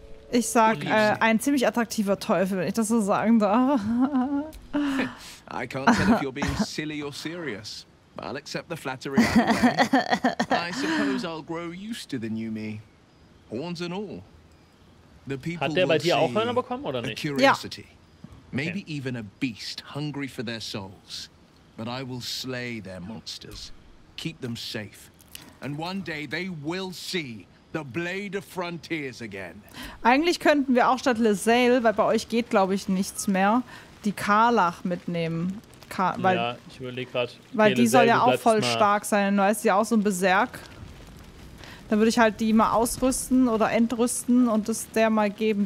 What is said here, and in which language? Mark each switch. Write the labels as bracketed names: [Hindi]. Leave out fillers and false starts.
[German] Ich sag, ein ziemlich attraktiver Teufel, wenn ich das so sagen darf. [English] I can't tell if you're being silly or serious. But I'll accept the flattery either way. I suppose I'll grow used to the new me. Horns and all. [German] Hat der bei dir auch Hörner bekommen oder nicht? [English] Curiosity. [German] Ja. [English] Maybe even a beast hungry for their souls. But I will slay their monsters. Keep them safe. And one day they will see the blade of frontiers again. [German] Eigentlich könnten wir auch statt Lezale, weil bei euch geht glaube ich nichts mehr, die Karlach mitnehmen. Ja, ich überlege gerade. Weil die soll ja auch voll stark sein. Du weißt ja auch so ein Berserk. Dann würde ich halt die mal ausrüsten oder entrüsten und das der mal geben.